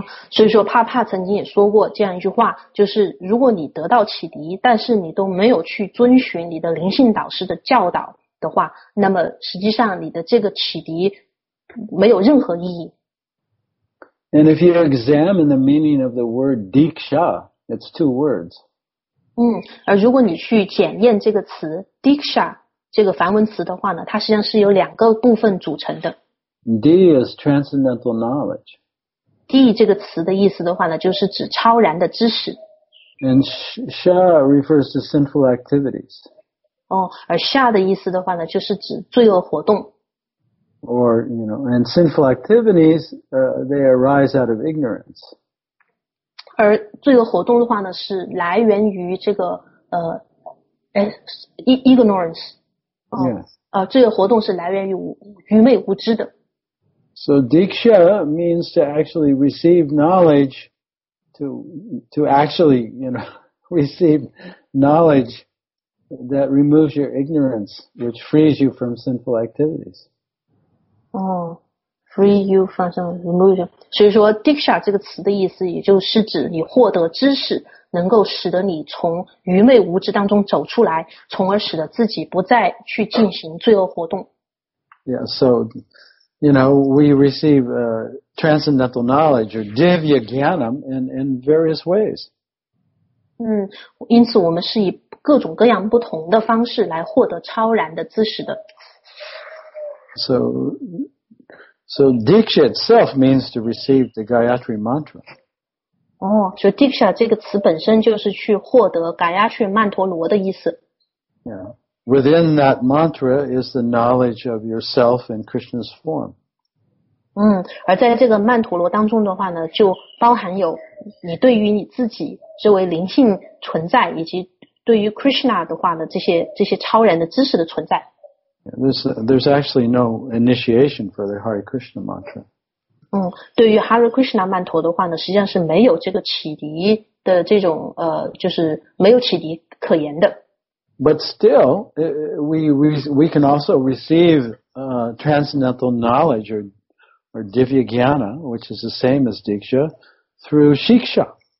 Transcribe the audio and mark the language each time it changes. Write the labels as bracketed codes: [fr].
[zh] 所以说帕帕曾经也说过这样一句话，就是如果你得到启迪，但是你都没有去遵循你的灵性导师的教导的话，那么实际上你的这个启迪没有任何意义。 [en] And if you examine the meaning of the word Diksha, it's two words. [zh] 而如果你去检验这个词 Diksha, 这个梵文词的话呢，它实际上是由两个部分组成的。 [en] D is transcendental knowledge. [zh] D 这个词的意思的话呢，就是指超然的知识。 [en] And sha refers to sinful activities. [zh] Oh, 而 sha 的意思的话呢，就是指罪恶活动。 [en] or, you know, and sinful activities, they arise out of ignorance. [zh] 而罪恶活动的话呢，是来源于这个ignorance. [en] Yes. [zh] 罪恶活动是来源于愚昧无知的。 [en] So diksha means to actually receive knowledge, to actually, you know, receive knowledge that removes your ignorance, which frees you from sinful activities. Oh, free you from some removal. [zh] 所以说 diksha 这个词的意思也就是指你获得知识能够使得你从愚昧无知当中走出来，从而使得自己不再去进行罪恶活动。 [en] Yeah, so... You know, we receive transcendental knowledge or divya jnanam in various ways. [zh] 因此我们是以各种各样不同的方式来获得超然的知识的。 [en] So diksha itself means to receive the Gayatri Mantra. [zh] 所以 diksha 这个词本身就是去获得 Gayatri 曼陀罗的意思。 [en] Within that mantra is the knowledge of yourself in Krishna's form. [zh] 而在这个曼陀罗当中的话呢，就包含有你对于你自己作为灵性存在，以及对于 Krishna 的话呢，这些超然的知识的存在。 [en] There's actually no initiation for the Hare Krishna mantra. [zh] 对于 Hare Krishna 曼陀的话呢，实际上是没有这个启迪的这种就是没有启迪可言的。 [en] But still, we can also receive transcendental knowledge or divya jnana, which is the same as diksha, through shiksha.